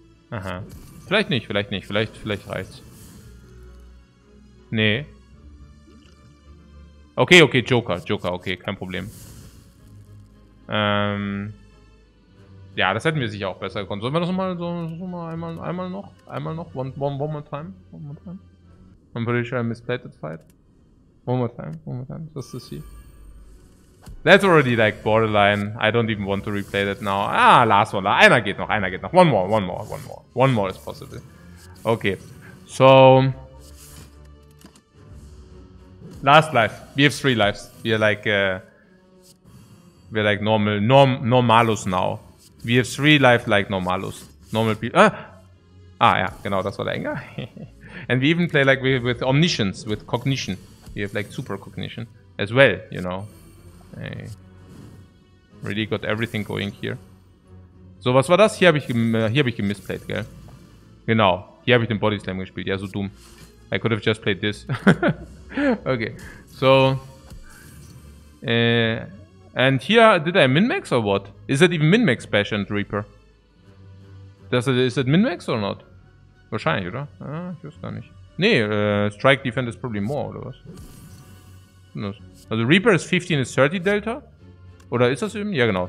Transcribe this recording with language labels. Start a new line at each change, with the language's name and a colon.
German: Aha. Vielleicht nicht. Vielleicht reicht's. Nee. Okay, Joker, okay, kein Problem. Ja, das hätten wir sicher auch besser gekonnt. Sollen wir das mal so mal einmal noch? Einmal noch?
English: One more time. I'm pretty sure I misplayed that fight. One more time. Just to see. That's already like borderline. I don't even want to replay that now. Ah, last one.
German: Einer geht noch, einer geht noch.
English: One more, one more, one more. One more is possible. Okay. So. Last life. We have three lives. We're like normal. Normalus now. We have three lives like normalus. Normal people.
German: Ah, ja, genau, das war der Enger.
English: And we even play like with omniscience, with cognition. We have like super cognition as well, you know. Hey. Really got everything going here.
German: So, was war das? Hier habe ich gemisplayed, gell? Genau, hier habe ich den Body Slam gespielt. Ja, so dumm.
English: I could have just played this. Okay, so. And here, did I min-max or what? Is it even min-max Passion Reaper? Is it min-max or not?
German: Wahrscheinlich, oder? Ah, ich weiß gar nicht.
English: Nee, Strike Defense is probably more, oder was? Also Reaper is 15, is 30 Delta.
German: Oder ist das eben? Ja, genau.